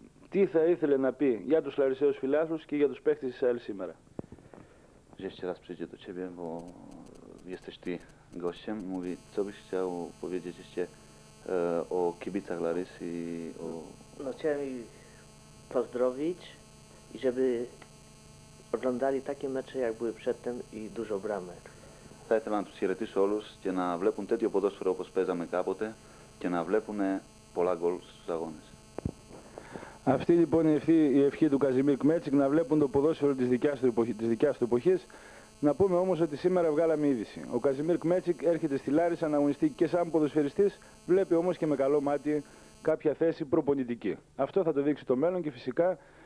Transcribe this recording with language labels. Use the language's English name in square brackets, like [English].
[Greek] Τι θα ήθελε να πει για τους Λαρισαίους φιλάθλους και για τους παίχτες της ΑΕΛ σήμερα? [Polish] Jeszcze raz przyjdzie do ciebie, bo jesteś ty gościem. Mówi, co byś chciał powiedzieć jeszcze o kibicach Larysy i o... No chciałem ich pozdrowić i żeby oglądali takie mecze, jak były przedtem i dużo bramek. [Greek] Θα ήθελα να τους χαιρετήσω όλους και να βλέπουν τέτοιο ποδόσφαιρο όπως παίζαμε κάποτε και να βλέπουν πολλά γκολ στους αγώνες. Αυτή λοιπόν είναι η ευχή του Καζιμίρ Κμέτσικ να βλέπουν το ποδόσφαιρο της δικιάς του εποχής. Να πούμε όμως ότι σήμερα βγάλαμε είδηση. Ο Καζιμίρ Κμέτσικ έρχεται στη Λάρισα να αγωνιστεί και σαν ποδοσφαιριστής, βλέπει όμως και με καλό μάτι κάποια θέση προπονητική. Αυτό θα το δείξει το μέλλον και φυσικά